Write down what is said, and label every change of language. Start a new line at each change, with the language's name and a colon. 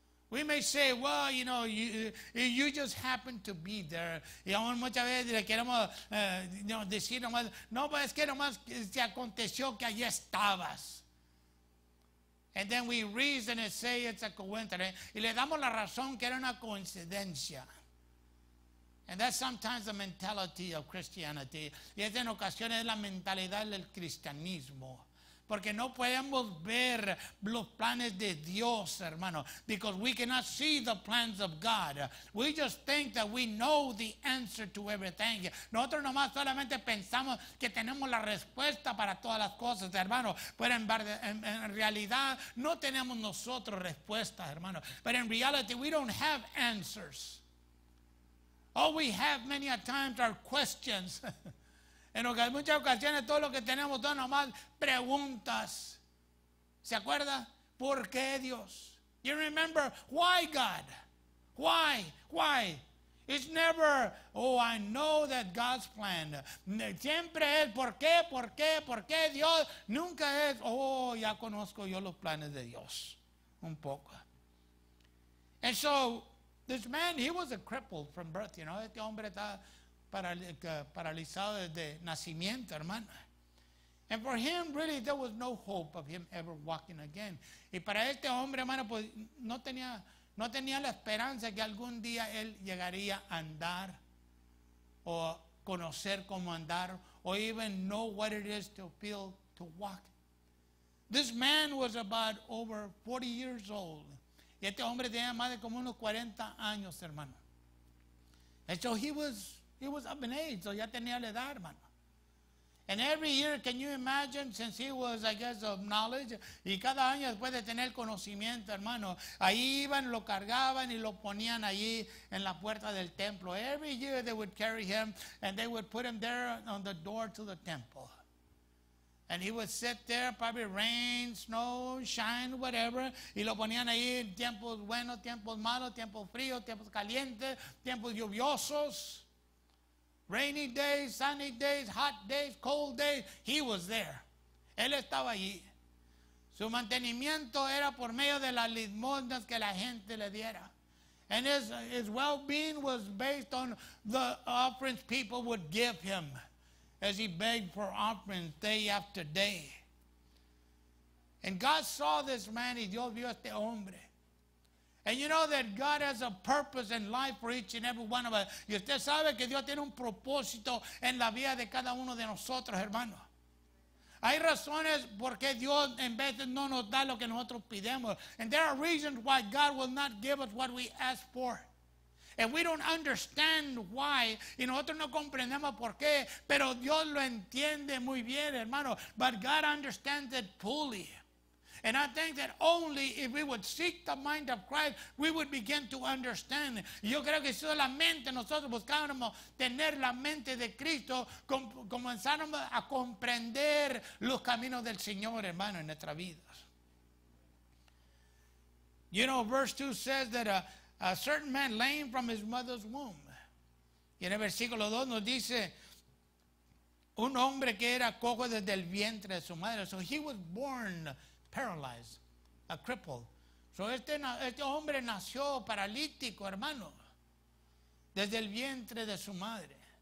English: We may say, well, you know, you just happen to be there.
Spanish: Y aún muchas veces le queremos decir nomás, no, pues es que nomás se aconteció que allí estabas.
English: And then we reason and say it's a coincidence.
Spanish: Y le damos la razón que era una coincidencia.
English: And that's sometimes the mentality of Christianity.
Spanish: Y es en ocasiones la mentalidad del cristianismo. Porque no podemos ver los planes de Dios, hermano.
English: Because we cannot see the plans of God. We just think that we know the answer to everything.
Spanish: Nosotros nomás solamente pensamos que tenemos la respuesta para todas las cosas, hermano. Pero en realidad no tenemos nosotros respuestas, hermano.
English: But in reality, we don't have answers. All we have many a times are questions.
Spanish: En muchas ocasiones todo lo que tenemos son nomás preguntas. ¿Se acuerda? ¿Por qué Dios?
English: You remember, why God? Why? Why? It's never, oh, I know that God's plan.
Spanish: Siempre es, ¿por qué? ¿Por qué? ¿Por qué Dios? Nunca es, oh, ya conozco yo los planes de Dios. Un poco.
English: And so, this man, he was a cripple from birth, you know.
Spanish: Este hombre está paralizado desde nacimiento, hermano.
English: And for him, really, there was no hope of him ever walking again.
Spanish: Y para este hombre, hermano, pues no tenía la esperanza que algún día él llegaría a andar o conocer cómo andar o
English: even know what it is to feel to walk. This man was about over 40 years old.
Spanish: Y este hombre tenía más de como unos 40 años, hermano.
English: And so he was up in age, so
Spanish: ya tenía la edad, hermano.
English: And every year, can you imagine, since he was, I guess, of knowledge,
Spanish: y cada año después de tener conocimiento, hermano, ahí iban, lo cargaban y lo ponían allí en la puerta del templo.
English: Every year they would carry him and they would put him there on the door to the temple. And he would sit there, probably rain, snow, shine, whatever.
Spanish: Y lo ponían ahí en tiempos buenos, tiempos malos, tiempos fríos, tiempos calientes, tiempos lluviosos.
English: Rainy days, sunny days, hot days, cold days. He was there.
Spanish: Él estaba allí. Su mantenimiento era por medio de las limosnas que la gente le diera.
English: And his well-being was based on the offerings people would give him. As he begged for offerings day after day. And God saw this man,
Spanish: y Dios vio este hombre.
English: And you know that God has a purpose in life for each and every one of us.
Spanish: Y usted sabe que Dios tiene un propósito en la vida de cada uno de nosotros, hermano. Hay razones por qué Dios en veces no nos da lo que nosotros pidemos.
English: And there are reasons why God will not give us what we ask for. And we don't understand why.
Spanish: Y nosotros no comprendemos por qué. Pero Dios lo entiende muy bien, hermano.
English: But God understands it fully. And I think that only if we would seek the mind of Christ, we would begin to understand.
Spanish: Yo creo que solamente nosotros buscáramos tener la mente de Cristo, comenzáramos a comprender los caminos del Señor, hermano, en nuestras vidas.
English: You know, verse 2 says that a certain man lame from his mother's womb.
Spanish: Y en el versículo 2 nos dice, un hombre que era cojo desde el vientre de su madre.
English: So he was born paralyzed, a cripple.
Spanish: So este hombre nació paralítico, hermano, desde el vientre de su madre.